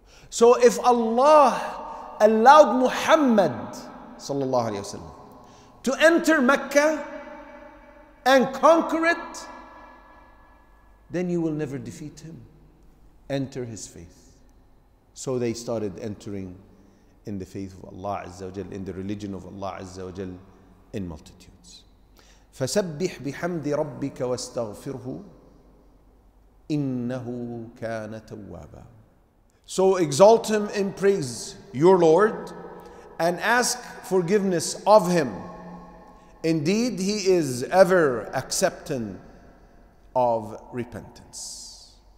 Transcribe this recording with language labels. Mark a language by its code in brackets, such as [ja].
[en] So if Allah allowed Muhammad sallallahu alaihi wasallam to enter Mecca and conquer it, then you will never defeat him, enter his faith. So they started entering in the faith of Allah azza wa jal, in the religion of Allah azza wa jal, in multitudes. [ar] فسبح بحمد ربك واستغفره إنه كان توابا. [en] So exalt him in praise, your Lord, and ask forgiveness of him. Indeed, he is ever accepting of repentance.